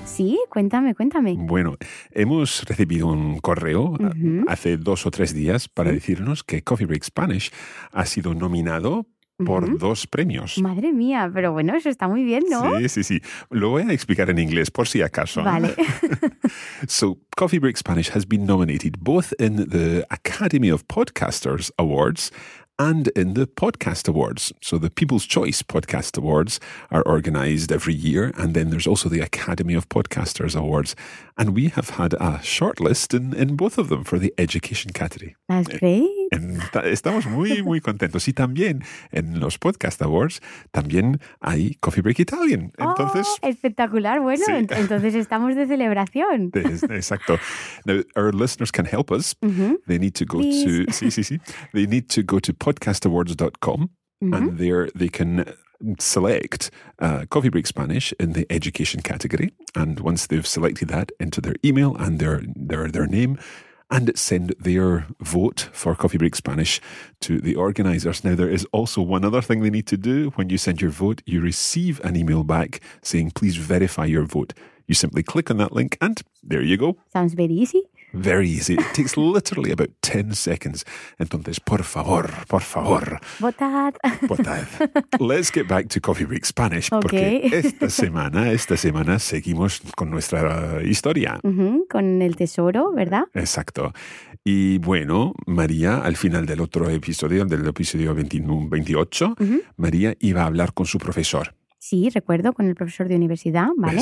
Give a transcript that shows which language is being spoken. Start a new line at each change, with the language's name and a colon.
Spanish: Sí, cuéntame, cuéntame. Bueno, hemos recibido un correo hace 2 o 3 días para decirnos que Coffee Break Spanish ha sido nominado por 2 premios. Madre mía, pero bueno, eso está muy bien, ¿no? Sí, sí, sí. Lo voy a explicar en inglés por si acaso. Vale.
English: So, Coffee Break Spanish has been nominated both in the Academy of Podcasters Awards and in the Podcast Awards. So the People's Choice Podcast Awards are organized every year, and then there's also the Academy of Podcasters Awards. And we have had a shortlist in both of them for the education category. That's great.
Spanish: Estamos muy, muy contentos. Y también en los Podcast Awards también hay Coffee Break Italian. Entonces, oh, espectacular. Bueno, sí. Entonces estamos de celebración. Exacto.
English: Now, our listeners can help us. Mm-hmm. They need to go Please.
Spanish: To... Sí, sí, sí.
English: They need to go to podcastawards.com and there they can select Coffee Break Spanish in the education category, and once they've selected that, enter their email and their name and send their vote for Coffee Break Spanish to the organizers. Now, there is also one other thing they need to do. When you send your vote, you receive an email back saying please verify your vote. You simply click on that link and there you go. Sounds very easy. Very easy. It takes literally about 10 seconds.
Spanish: Entonces, por favor, por favor. Votad. Votad.
English: Let's get back to Coffee Break Spanish. Okay.
Spanish: Porque esta semana seguimos con nuestra historia. Con el tesoro, ¿verdad? Exacto. Y bueno, María, al final del otro episodio, del episodio 28, María iba a hablar con su profesor. Sí, recuerdo, con el profesor de universidad, ¿vale?